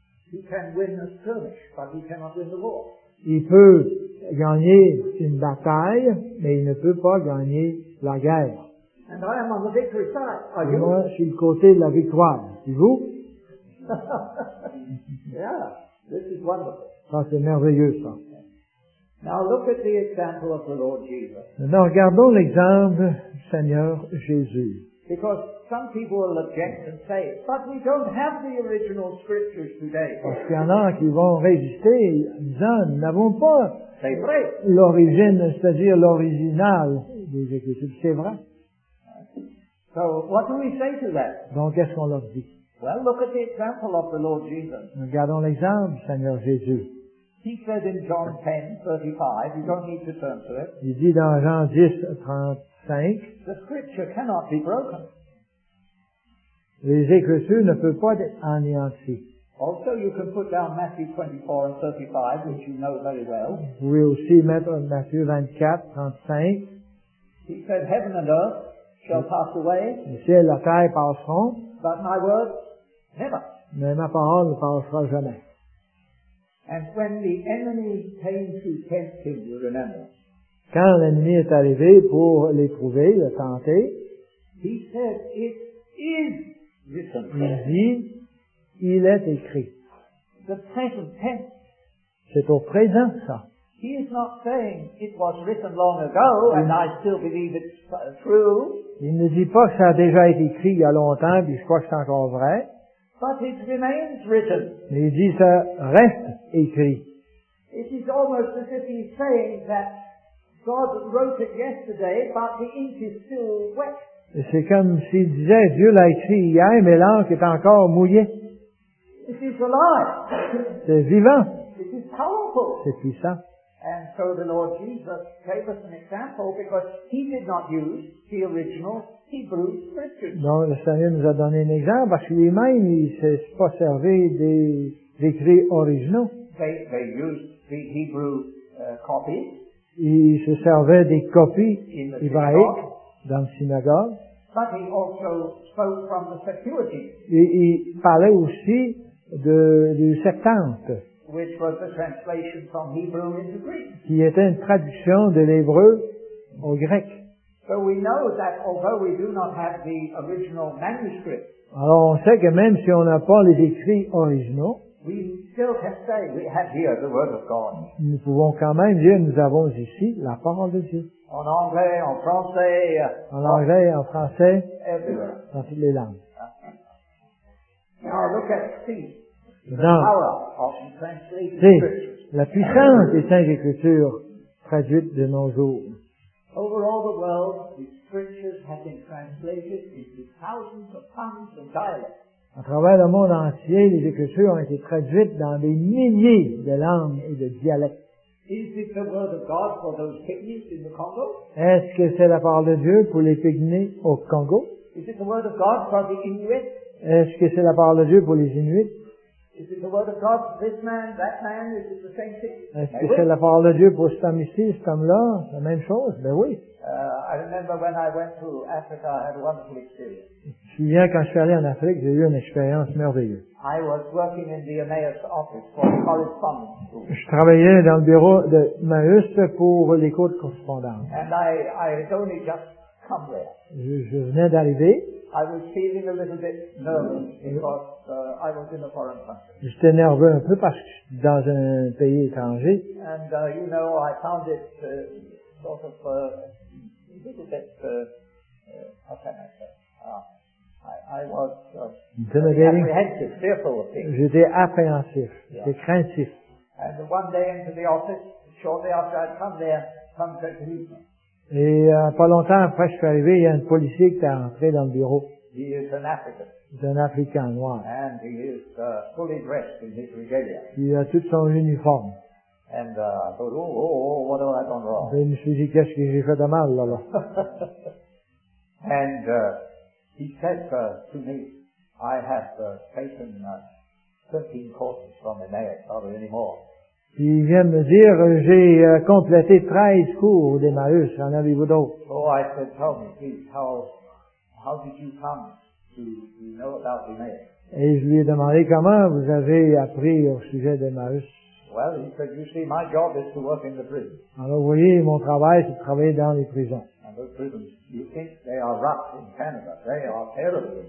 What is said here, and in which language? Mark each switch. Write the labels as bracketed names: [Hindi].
[English] He can win a skirmish, but he cannot win the war. [French] Il peut gagner une bataille, mais il ne peut pas gagner la guerre. [English] And I am on the victory side. Are you? [French] Moi, je suis le côté de la victoire. Et vous? [English] Yeah, this is wonderful. [French] Ça, c'est merveilleux, ça. [English] Now look at the example of the Lord Jesus. [French] Maintenant, regardons l'exemple du Seigneur Jésus. [English] Because some people will object and say, but we don't have the original scriptures today. [French] Parce qu'il y en a qui vont résister en disant, nous n'avons pas c'est vrai. L'origine, c'est-à-dire l'original des Écritures. C'est vrai. [English] So what do we say to that? [French] Donc qu'est-ce qu'on leur dit? [English] Well, look at the example of the Lord Jesus. [French] Regardons l'exemple du Seigneur Jésus. [English] He said in John 10, 35, you don't need to turn to it. [French] Il dit dans Jean 10, 35, [English] the scripture cannot be broken. [French] Les Écritures ne peuvent pas être anéanties. [English] Also, you can put down Matthew 24 and 35, which you know very well. [French] Vous pouvez aussi mettre Matthieu 24, 35. [English] He said heaven and earth shall pass away. [French] Le ciel et la terre passeront. [English] But my word, never. [French] Mais ma parole ne passera jamais. [English] And when the enemy came to tempt him, you remember. [French] Quand l'ennemi est arrivé pour l'éprouver, le tenter. [English] He said, it is written. [French] Il dit, Il est écrit. [English] The present tense. [French] C'est au présent, ça. [English] He is not saying it was written long ago, and I still believe it's true. [French] Il ne dit pas que ça a déjà été écrit il y a longtemps, puis je crois que c'est encore vrai. [English] But it remains written. [French] Il dit ça reste écrit. [English] It is almost as if he's saying that God wrote it yesterday, but the ink is still wet. [French] Et c'est comme s'il disait Dieu l'a écrit hier, mais l'encre est encore mouillée. [English] It is alive. [French] C'est vivant. [English] It is powerful. [French] C'est puissant. [English] And so the Lord Jesus gave us an example because he did not use the original Hebrew scriptures. [French] Donc le Seigneur nous a donné un exemple parce que lui-même il s'est pas servi des écrits originaux. [English] They used the Hebrew copies. [French] Il se servait des copies hébraïques dans la synagogue. [English] But he also spoke from the Septuagint. [French] Il parlait aussi du Septante. [English] Which was a translation from Hebrew into Greek. [French] Qui était une traduction de l'hébreu au grec. [English] So we know that although we do not have the original manuscript. [French] Alors on sait que même si on n'a pas les écrits originaux, [English] we still can say we have here the word of God. [French] Nous pouvons quand même dire nous avons ici la parole de Dieu. En anglais, en français. En anglais, en français. [English] Everywhere. [French] Dans toutes les langues. [English] Now look at C. [French] Maintenant, c'est la puissance des Saintes Écritures traduites de nos jours. [English] Over all the world, the scriptures have been translated into thousands of tongues and dialects. [French] À travers le monde entier, les Écritures ont été traduites dans des milliers de langues et de dialectes. [English] Is it the word of God for those pygmies in the Congo? [French] Est-ce que c'est la parole de Dieu pour les pygmies au Congo? [English] Is it the word of God for the Inuit? [French] Est-ce que c'est la parole de Dieu pour les Inuits? [English] Is it the word of God for this man, that man? Is it the same thing? [French] Est-ce que c'est la parole de Dieu pour cet homme ici, cet homme-là? La même chose? Ben oui. [English] I remember when I went to Africa, I had a wonderful experience. [French] Je me souviens quand je suis allé en Afrique, j'ai eu une expérience merveilleuse. [English] I was working in the Emmaus office for correspondence. [French] Je travaillais dans le bureau de Emmaus pour les cours de correspondance. [English] And I had only just come there. [French] Je venais d'arriver. [English] I was feeling a little bit nervous because I was in a foreign country. [French] J'étais nerveux un peu parce que je suis dans un pays étranger. [English] And you know, I found it sort of a little bit how can I say? I was apprehensive, fearful of things. [French] J'étais appréhensif, j'étais craintif. [English] And one day into the office, shortly after I'd come there, some said to me. [French] Et pas longtemps après que je suis arrivé, il y a un policier qui est entré dans le bureau. [English] He is an African. [French] C'est un Africain noir. [English] And he is fully dressed in his regalia. [French] Il a tout son uniforme. [English] And I thought, oh, what have I done wrong? [French] Et je me suis dit, qu'est-ce que j'ai fait de mal là? [English] And he said to me, I have taken 13 courses from Emmaus, not anymore. [French] Puis il vient me dire, j'ai complété 13 cours d'Emmaüs, en avez-vous d'autres? [English] Oh, I said, tell me, please, how did you come to know about Emmaüs? [French] Et je lui ai demandé, comment vous avez appris au sujet d'Emmaüs? [English] Well, he said, you see, my job is to work in the prison. [French] Alors, vous voyez, mon travail, c'est de travailler dans les prisons. [English] And those prisons, you think they are rough in Canada, they are terrible.